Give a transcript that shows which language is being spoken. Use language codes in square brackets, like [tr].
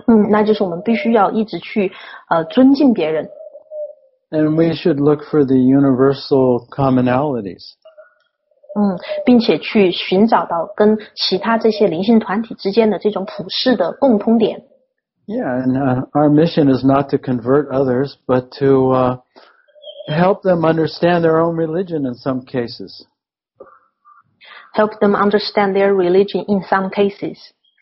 [zh] 那就是我们必须要一直去尊敬别人。 [en] And we should look for the universal commonalities. [zh] 并且去寻找到跟其他这些灵性团体之间的这种普世的共通点。 [en] Yeah, and our mission is not to convert others, but to... Help them understand their own religion in some cases. Help them understand their religion in some cases.